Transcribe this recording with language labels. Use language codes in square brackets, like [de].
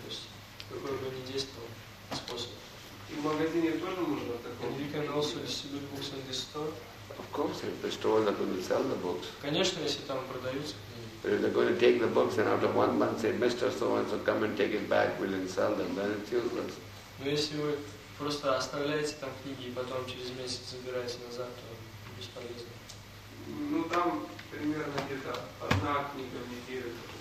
[ru] То есть какой бы ни действовал способ. И в магазине тоже можно такое. [en] And you can also distribute books in the store. Of course, if the store that will sell the books. [ru] Конечно, если там продаются. [en] But if they're going to take the books and after 1 month say, Mr. So-and-so, come and take it back, we'll sell them, then it's useless. [ru] Но если вы просто оставляете там книги и потом через месяц забираете назад, то бесполезно. Ну там примерно где-то одна книга в неделю.